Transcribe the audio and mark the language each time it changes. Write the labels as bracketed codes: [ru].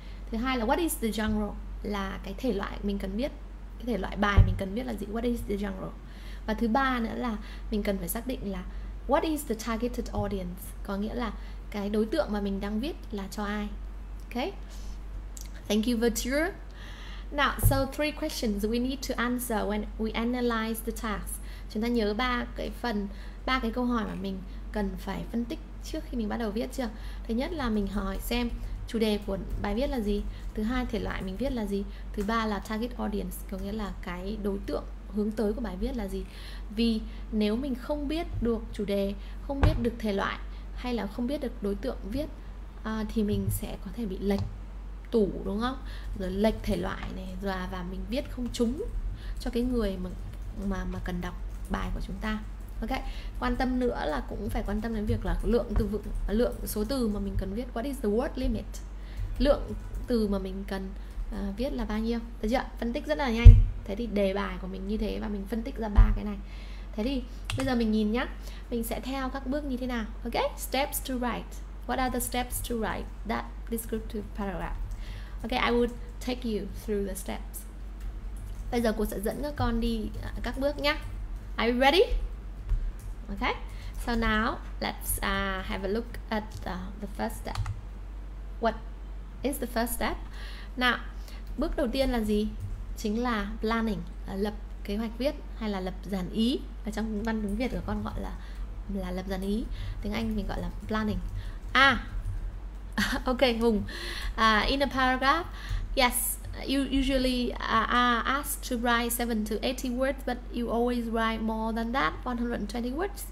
[vi] Thứ hai là [en] what is the genre, [vi] là cái thể loại mình cần viết, cái thể loại bài mình cần viết là gì, what is the genre. Và thứ ba nữa là mình cần phải xác định là [en] what is the targeted audience, [vi] có nghĩa là cái đối tượng mà mình đang viết là cho ai. [en] Okay, thank you Virtue. Now, so three questions we need to answer when we analyze the task. [vi] Chúng ta nhớ ba cái phần, ba cái câu hỏi mà mình cần phải phân tích trước khi mình bắt đầu viết chưa? Thứ nhất là mình hỏi xem chủ đề của bài viết là gì. Thứ hai, thể loại mình viết là gì. Thứ ba là target audience, có nghĩa là cái đối tượng hướng tới của bài viết là gì. Vì nếu mình không biết được chủ đề, không biết được thể loại, hay là không biết được đối tượng viết, thì mình sẽ có thể bị lệch tủ, đúng không? Rồi lệch thể loại này, rồi và mình viết không trúng cho cái người mà cần đọc bài của chúng ta. Ok, quan tâm nữa là cũng phải quan tâm đến việc là lượng từ vựng, lượng số từ mà mình cần viết, [en] what is the word limit, [vi] lượng từ mà mình cần viết là bao nhiêu. Được chưa? Phân tích rất là nhanh. Thế thì đề bài của mình như thế và mình phân tích ra ba cái này. Thế thì bây giờ mình nhìn nhá, mình sẽ theo các bước như thế nào. [en] Ok, steps to write, what are the steps to write that descriptive paragraph. Ok, I would take you through the steps. [vi] Bây giờ cô sẽ dẫn các con đi các bước nhá. [en] Are you ready? Ok, so now let's have a look at the first step. What is the first step? Now, [vi] bước đầu tiên là gì? Chính là planning, là lập kế hoạch viết hay là lập dàn ý. Ở trong văn tiếng Việt của con gọi là lập dàn ý. Tiếng Anh mình gọi là planning. À, ok Hùng. [en] In a paragraph, yes, you usually are asked to write 7 to 80 words, but you always write more than that, 120 words.